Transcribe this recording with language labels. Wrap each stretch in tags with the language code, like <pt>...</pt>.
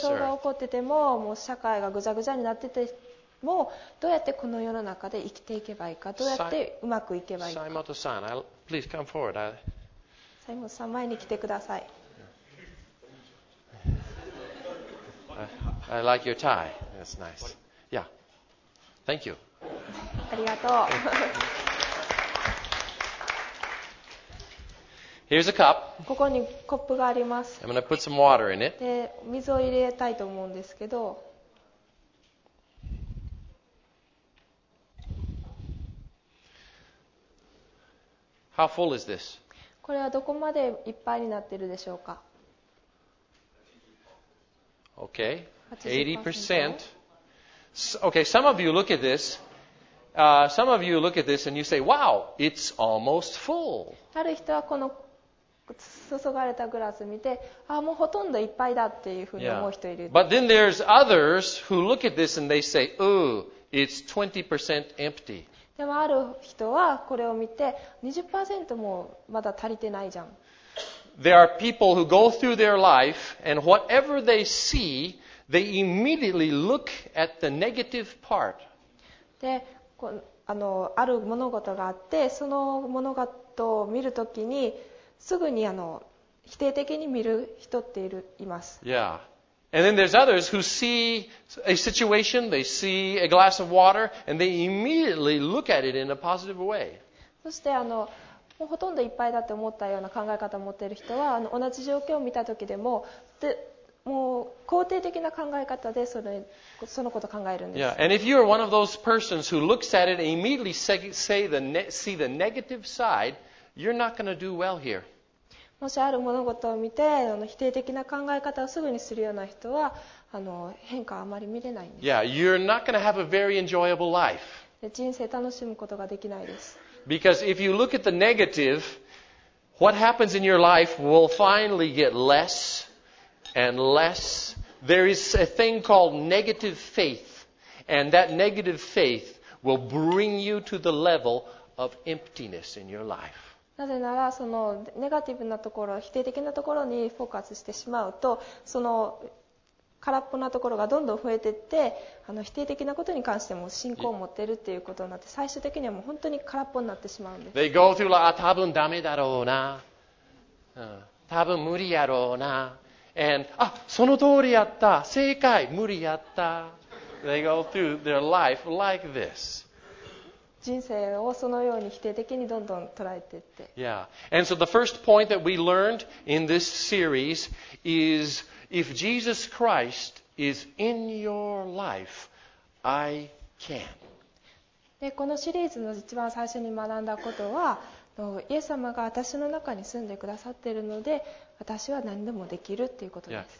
<ja>戦争が起こってても、もう社会がぐちゃぐちゃになってても、どうやってこの世の中で生きていけばいいか、どうやってうまくいけばいいか。</ja> <en>Saimoto-san, please come forward.</en> <ja>Saimoto-san, 前に来てください。</ja> <en>I like your tie. That's nice. Yeah. Thank you.</en> <ja>ありがとう。</ja> <en>Here's a cup.</en> <ja>ここにコップがあります。</ja> <en>I'm going to put some water in it.</en> <ja>で、水を入れたいと思うんですけど。</ja> <en>How full is this?</en> <ja>これはどこまでいっぱいになっているでしょうか?</ja> <en>Okay. 80%. Okay, some of you look at this. Some of you look at this and you say, "Wow, it's almost full."</en> <ja>ある人はこの注がれたグラス見て、あ、もうほとんどいっぱいだっていうふうに思う人いる。</ja> <en>But then there's others who look at this and they say, "Oh, it's 20% empty."</en> <ja>でもある人はこれを見て、20% もまだ足りてないじゃん。</ja> <en>There are people who go through their life and whatever they see. They immediately look at the negative part.</en> <ja>で、ある物事があって、その物事を見るときに、すぐに否定的に見る人っている、います。</ja> <en>Yeah. And then there's others who see a situation, they see a glass of water, and they immediately look at it in a positive way.</en> <ja>そしてもうほとんどいっぱいだと思ったような考え方を持っている人は同じ状況を見た時でも、でもう肯定的な考え方でそのことを考えるんです。</ja> <en>Yeah, and if you are one of those persons who looks at it and immediately see the negative side, you're not going to do well here.</en> <ja>もしある物事を見て否定的な考え方をすぐにするような人は変化はあまり見れないんです。</ja> <en>Yeah, you're not going to have a very enjoyable life.</en> <ja>人生楽しむことができないです。</ja> <en>Because if you look at the negative, what happens in your life will finally get less and less. There is a thing called negative faith, and that negative faith will bring you to the level of emptiness in your life.</en> <ja>なぜならそのネガティブなところ、否定的なところにフォーカスしてしまうと、その空っぽなところがどんどん増えていって、否定的なことに関しても信仰を持っているということになって、最終的にはもう本当に空っぽになってしまうんです。</ja> <en>They go through like,</en> <ja>多分ダメだろうな、多分無理やろうな、</ja> <en>and</en> <ja>あ、その通りやった、正解、無理やった。</ja> <en>They go through their life like this.</en> <ja>人生をそのように否定的にどんどん捉えていって。</ja> <en>Yeah. And so the first point that we learned in this series is if Jesus Christ is in your life, I can.</en> <ja>で、このシリーズの一番最初に学んだことは、イエス様が私の中に住んでくださっているので、私は何でもできるっていうことです。</ja>